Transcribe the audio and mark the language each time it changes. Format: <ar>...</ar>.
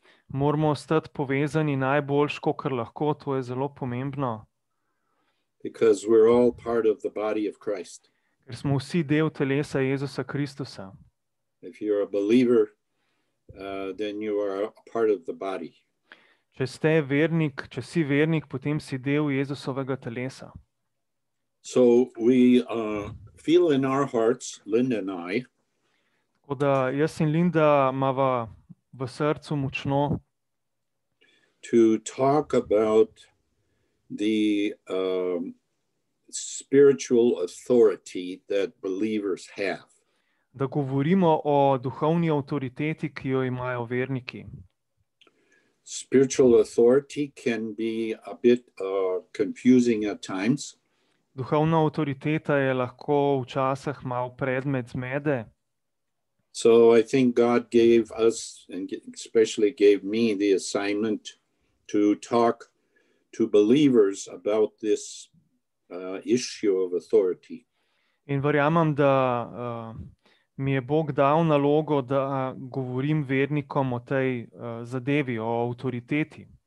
<sl>Moramo ostati povezani najboljš, kakor lahko, to je zelo pomembno.</sl> <en>Because we're all part of the body of Christ.</en> <sl>Ker smo vsi del telesa Jezusa Kristusa.</sl> <en>If you're a believer, then you are a part of the body.</en> <sl>Če ste vernik, če si vernik, potem si del Jezusovega telesa.</sl> <en>So we feel in our hearts, Linda and I.</en> <sl>Tako da jaz in Linda mava v srcu močno.</sl> <en>To talk about the spiritual authority that believers have.</en> <sl>Da govorimo o duhovni avtoriteti, ki jo imajo verniki.</sl> <en>Spiritual authority can be a bit confusing at times.</en> <sl>Duhovna avtoriteta je lahko včasih malo predmet zmede.</sl> <en>So I think God gave us, and especially gave me, the assignment to talk to believers about this issue of authority.</en> <sl>In verjamem, da mi je Bog dal nalogo, da govorim vernikom o tej zadevi, o avtoriteti.</sl>